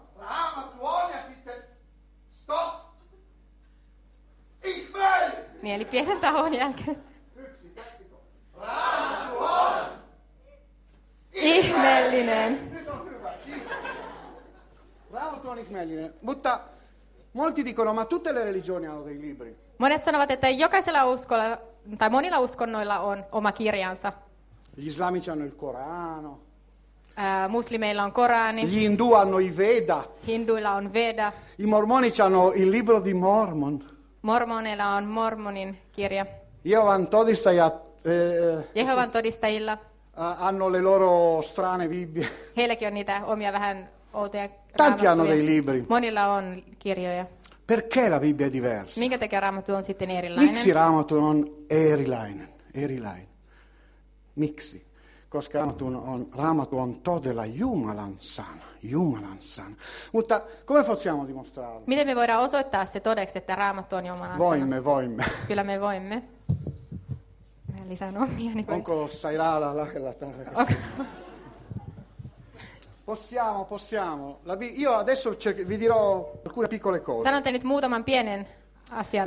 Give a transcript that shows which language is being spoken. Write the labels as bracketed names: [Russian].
[Finnish] Raamattu on ja sitten stop. Ihmeellinen. Niin, eli pienen tauon jälkeen. 1, 2, 3. Raamattu on ihmeellinen. Nyt on hyvä. Raamattu on ihmeellinen. [Italian] Mutta molti dicono, ma tutte le religioni hanno dei libri. [Finnish] Monet sanovat, että jokaisella uskolla tai monilla uskonnoilla on oma kirjansa. [Italian] Gli islamici hanno il Corano. [Finnish] Muslimeilla on Korani. [Italian] Gli hindu hanno i Veda. [Finnish] Hinduilla on Veda. [Italian] I mormoni hanno il libro di Mormon. [Finnish] Mormoneilla on Mormonin kirja. Jehovan todistajat. Jehovan todistajilla. [Italian] Hanno le loro strane Bibbie. [Finnish] Heilläkin on niitä omia vähän outoja. [Italian] Tanti hanno dei libri. [Finnish] Monilla on kirjoja. [Italian] Perché la Bibbia è diversa? [Finnish] Minkä tekee Raamattu on sitten erilainen? Miksi Raamattu on erilainen? Erilainen. Miksi? Koska Raamattu on todella Jumalan sana. Jumalan sana. [Italian] Mutta come possiamo dimostrarlo? [Finnish] Miten me voidaan osoittaa se todeksi, että Raamattu on Jumalan sana? Voimme. Kyllä me voimme. Mä lisään omiani. Onko sairaala lähellä tänne? [Italian] Possiamo. Io adesso vi dirò alcune piccole cose. [Finnish] Sanotte nyt muutaman pienen asian.